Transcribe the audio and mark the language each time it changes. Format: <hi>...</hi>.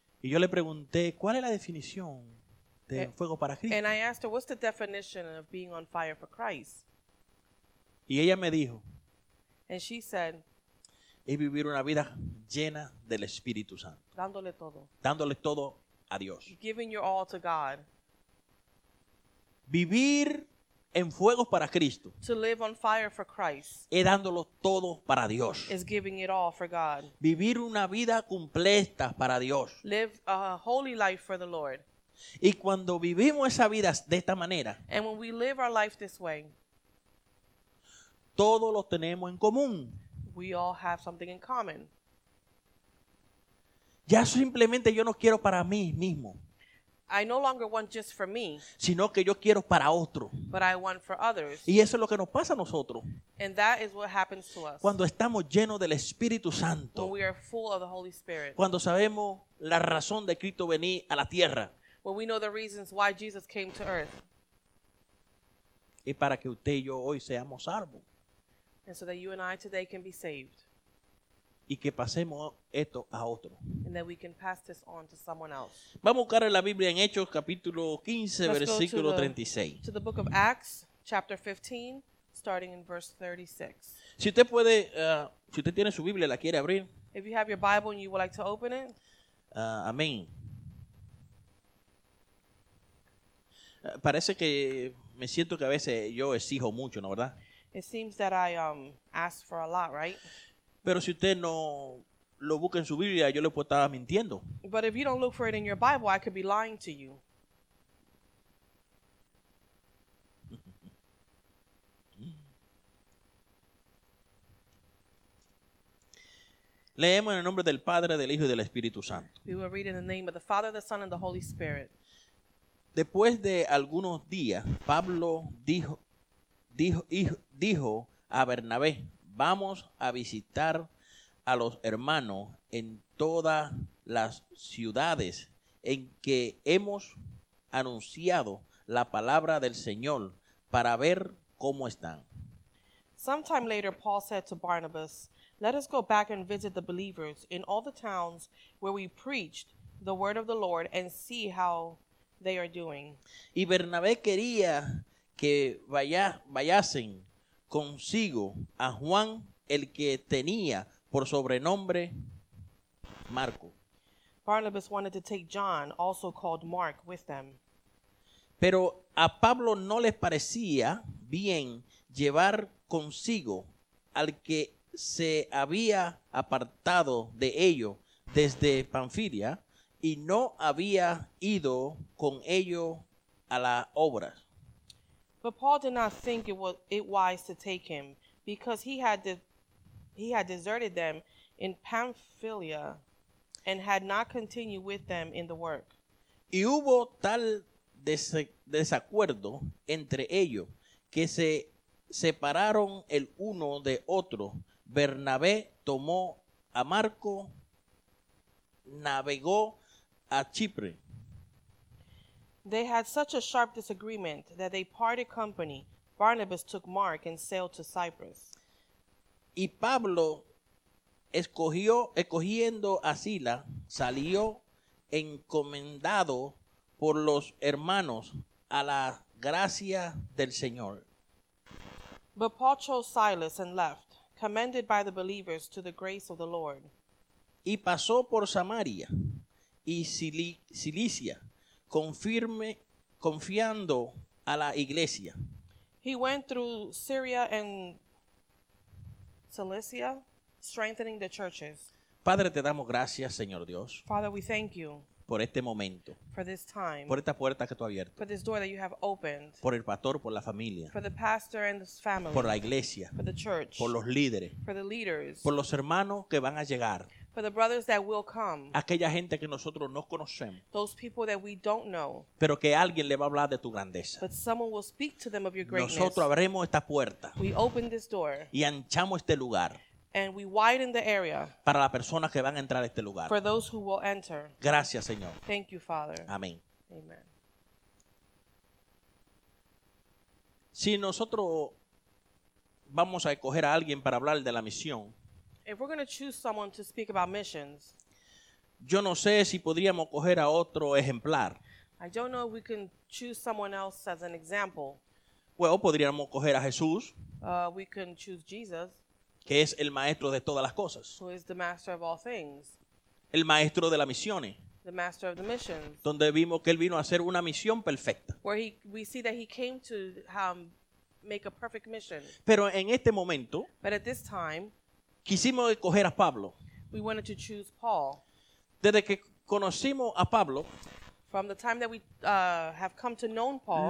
<es>Y yo le pregunté cuál es la definición de fuego para Cristo.</es> <en>And I asked her what's the definition of being on fire for Christ.</en> <es>Y ella me dijo,</es> <en>and she said,</en> <es>es vivir una vida llena del Espíritu Santo. Dándole todo a Dios.</es> <en>Giving your all to God.</en> <es>Vivir en fuego para Cristo.</es> <en>To live on fire for Christ.</en> <es>Es dándolo todo para Dios.</es> <en>Is giving it all for God.</en> <es>Vivir una vida completa para Dios.</es> <en>Live a holy life for the Lord.</en> <es>Y cuando vivimos esa vida de esta manera.</es> <en>And when we live our life this way.</en> <es>Todos los tenemos en común.</es> <en>We all have something in common.</en> <es>Ya simplemente yo no quiero para mí mismo.</es> <en>I no longer want just for me.</en> <es>Sino que yo quiero para otro.</es> <en>But I want for others.</en> <es>Y eso es lo que nos pasa a nosotros.</es> <en>And that is what happens to us.</en> <es>Cuando estamos llenos del Espíritu Santo.</es> <en>When we are full of the Holy Spirit.</en> <es>Cuando sabemos la razón de Cristo venir a la tierra.</es> <en>When we know the reasons why Jesus came to earth.</en> <es>Y para que usted y yo hoy seamos salvos.</es> <en>And so that you and I today can be saved.</en> <es>Y que pasemos esto a otro.</es> <en>And that we can pass this on to someone else.</en> <es>Vamos a buscar en la Biblia en Hechos capítulo 15, versículo 36.</es> <en>To the book of Acts, chapter 15, starting in verse 36.</en> <es>Si usted puede, si usted tiene su Biblia y la quiere abrir.</es> <en>If you have your Bible and you would like to open it.</en> <es>Amén. Parece que me siento que a veces yo exijo mucho, ¿no verdad?</es> <en>It seems that I ask for a lot, right?</en> <es>Pero si usted no lo busca en su Biblia, yo le puedo estar mintiendo.</es> <en>But if you don't look for it in your Bible, I could be lying to you.</en> <es>Leemos en el nombre del Padre, del Hijo y del Espíritu Santo.</es> <en>We will read in the name of the Father, the Son, and the Holy Spirit.</en> <es>Después de algunos días, Pablo dijo a Bernabé, vamos a visitar a los hermanos en todas las ciudades en que hemos anunciado la palabra del Señor para ver cómo están.</es> <en>Sometime later, Paul said to Barnabas, "Let us go back and visit the believers in all the towns where we preached the word of the Lord and see how they are doing."</en> <es>Y Bernabé quería que vayasen consigo a Juan, el que tenía por sobrenombre Marco.</es> <en>Barnabas wanted to take John, also called Mark, with them.</en> <es>Pero a Pablo no les parecía bien llevar consigo al que se había apartado de ello desde Panfilia y no había ido con ello a la obra.</es> <en>But Paul did not think it wise to take him, because he had deserted them in Pamphylia and had not continued with them in the work.</en> <es>Y hubo tal desacuerdo entre ellos que se separaron el uno de otro. Bernabé tomó a Marco, navegó a Chipre.</es> <en>They had such a sharp disagreement that they parted company. Barnabas took Mark and sailed to Cyprus.</en> <es>Y Pablo, escogiendo a Sila, salió encomendado por los hermanos a la gracia del Señor.</es> <en>But Paul chose Silas and left, commended by the believers to the grace of the Lord.</en> <es>Y pasó por Samaria y Cilicia, confiando a la iglesia.</es> <en>He went through Syria and Cilicia, strengthening the churches.</en> <es>Padre, te damos gracias, Señor Dios.</es> <en>Father, we thank you.</en> <es>Por este momento.</es> <en>For this time.</en> <es>Por esta puerta que tú has abierto.</es> <en>For this door that you have opened.</en> <es>Por el pastor, por la familia.</es> <en>For the pastor and his family.</en> <es>Por la iglesia.</es> <en>For the church.</en> <es>Por los líderes.</es> <en>For the leaders.</en> <es>Por los hermanos que van a llegar.</es> <en>For the brothers that will come.</en> <es>Aquella gente que nosotros no conocemos.</es> <en>Those people that we don't know.</en> <es>Pero que alguien le va a hablar de tu grandeza.</es> <en>But someone will speak to them of your greatness.</en> <es>Nosotros abrimos esta puerta.</es> <en>We open this door.</en> <es>Y anchamos este lugar.</es> <en>And we widen the area.</en> <es>Para las personas que van a entrar a este lugar.</es> <en>For those who will enter.</en> <es>Gracias, Señor.</es> <en>Thank you, Father.</en> <es>Amén.</es> <en>Amen.</en> <es>Si nosotros vamos a escoger a alguien para hablar de la misión.</es> <en>If we're going to choose someone to speak about missions.</en> <es>Yo no sé si podríamos coger a otro ejemplar.</es> <en>I don't know if we can choose someone else as an example. Well,</en> <es>podríamos coger a Jesús.</es> <en>We can choose Jesus.</en> <es>Que es el maestro de todas las cosas.</es> <en>Who is the master of all things.</en> <es>El maestro de las misiones.</es> <en>The master of the missions.</en> <es>Donde vimos que él vino a hacer una misión perfecta.</es> <en>Where we see that he came to make a perfect mission.</en> <es>Pero en este momento.</es> <en>But at this time.</en> <es>Quisimos escoger a Pablo.</es> <en>We wanted to choose Paul.</en> <es>Desde que conocimos a Pablo.</es> <en>From the time that we have come to know Paul.</en>